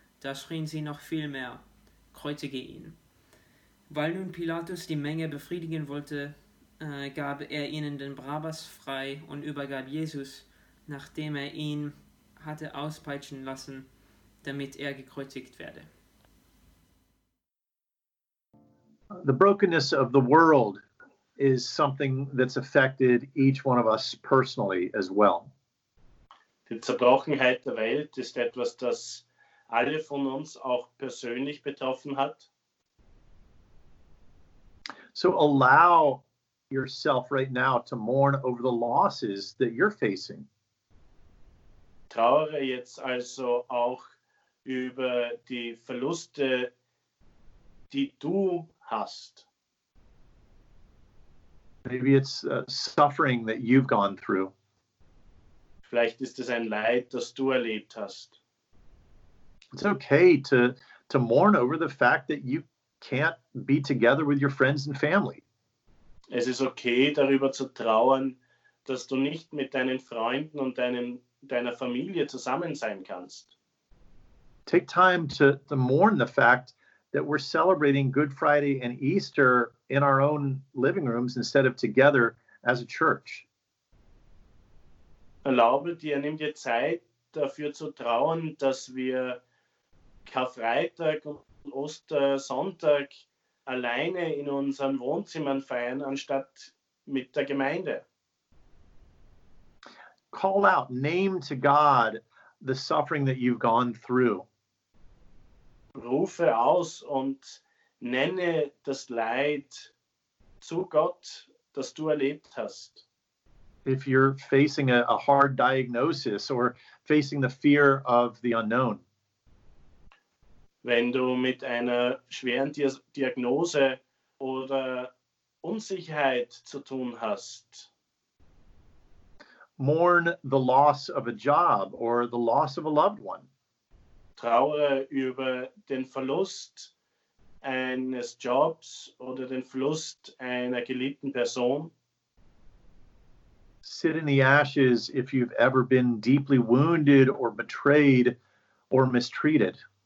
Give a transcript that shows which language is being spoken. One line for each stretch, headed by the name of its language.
German: Da schrien sie noch viel mehr: Kreuzige ihn. Weil nun Pilatus die Menge befriedigen wollte, gab er ihnen den Barabbas frei und übergab Jesus, nachdem er ihn hatte auspeitschen lassen, damit er gekreuzigt werde.
English: The brokenness of the world is something that's affected each one of us personally as well.
German: Die Zerbrochenheit der Welt ist etwas, das alle von uns auch persönlich betroffen hat.
English: So allow yourself right now to mourn over the losses that you're facing.
German: Trauere jetzt also auch über die Verluste, die du hast.
English: Maybe it's suffering that you've gone through.
German: Vielleicht ist es ein Leid, das du erlebt hast.
English: It's okay to mourn over the fact that you can't be together with your friends and family.
German: Es ist okay, darüber zu trauern, dass du nicht mit deinen Freunden und deiner Familie zusammen sein kannst.
English: Take time to mourn the fact that we're celebrating Good Friday and Easter in our own living rooms instead of together as a church.
German: Erlaube dir, nimm dir Zeit, dafür zu trauern, dass wir Karfreitag und Ostersonntag alleine in unseren Wohnzimmern feiern, anstatt mit der Gemeinde.
English: Call out, name to God the suffering that you've gone through.
German: Rufe aus und nenne das Leid zu Gott, das du erlebt hast.
English: If you're facing a hard diagnosis or facing the fear of the unknown.
German: Wenn du mit einer schweren Diagnose oder Unsicherheit zu tun hast.
English: Mourn the loss of a job or the loss of a loved one.
German: Trauere über den Verlust eines Jobs oder den Verlust einer geliebten Person.
English: Sit in the ashes if you've ever been deeply wounded or betrayed or mistreated.